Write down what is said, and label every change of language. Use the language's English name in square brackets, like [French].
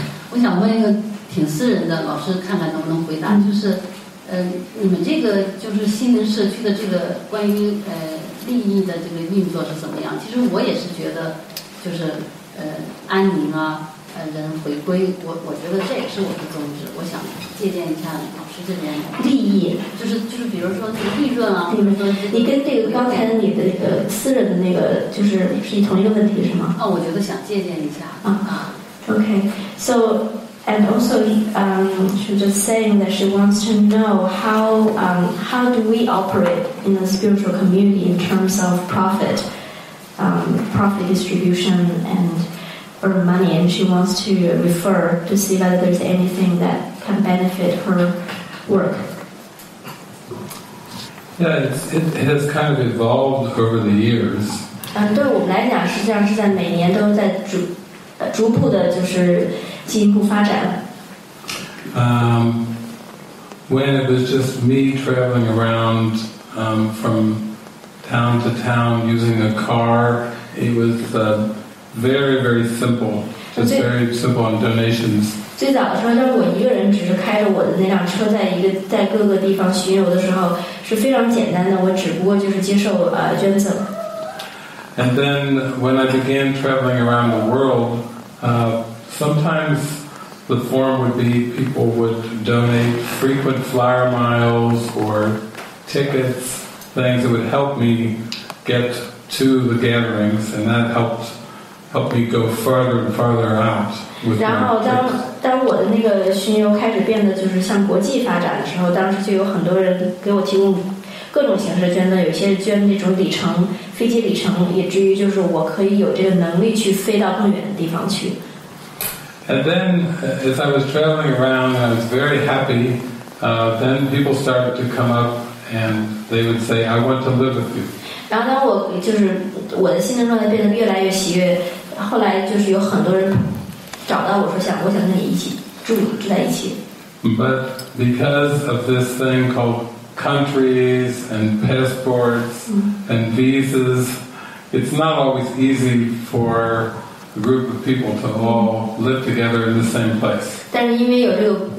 [Chinese] 我想问一个挺私人的，老师看看能不能回答，就是你们这个就是心灵社区的这个关于利益的这个运作是怎么样？其实我也是觉得，就是安宁啊，人回归，我觉得这也是我的宗旨。我想借鉴一下老师这边利益，就是比如说这个利润啊，或者说你跟这个刚才你的那个私人的那个就是是同一个问题是吗？哦，我觉得想借鉴一下啊。 [English] OK, so and also she was just saying that she wants to know how do we operate. In the spiritual community, in terms of profit, profit distribution, and earn money, and she wants to refer to see whether there's anything that can benefit her work. Yeah, it has kind of evolved over the years. [Chinese] 对我们来讲，实际上是在每年都在逐步的，就是进一步发展。 [English] When it was just me traveling around. From town to town using a car. It was very, very simple. Just very simple on donations. [Chinese] 最早的时候，就是我一个人只是开着我的那辆车在各个地方巡游的时候是非常简单的，我只不过就是接受捐赠。 [English] And then when I began traveling around the world, sometimes the form would be people would donate frequent flyer miles or...tickets, things that would help me get to the gatherings, and that helped me go farther and farther out. [Chinese] 然后当我的那个巡游开始变得就是向国际发展的时候，当时就有很多人给我提供各种形式捐的，有些捐那种里程、飞机里程，以至于就是我可以有这个能力去飞到更远的地方去。 [English] And then, as I was traveling around, I was very happy. Then people started to come up, and they would say, "I want to live with you." [Chinese] 然后当我就是我的心态状态变得越来越喜悦，后来就是有很多人找到我说想我想跟你一起住在一起。 [English] But because of this thing called countries and passports and visas, it's not always easy for a group of people to all live together in the same place.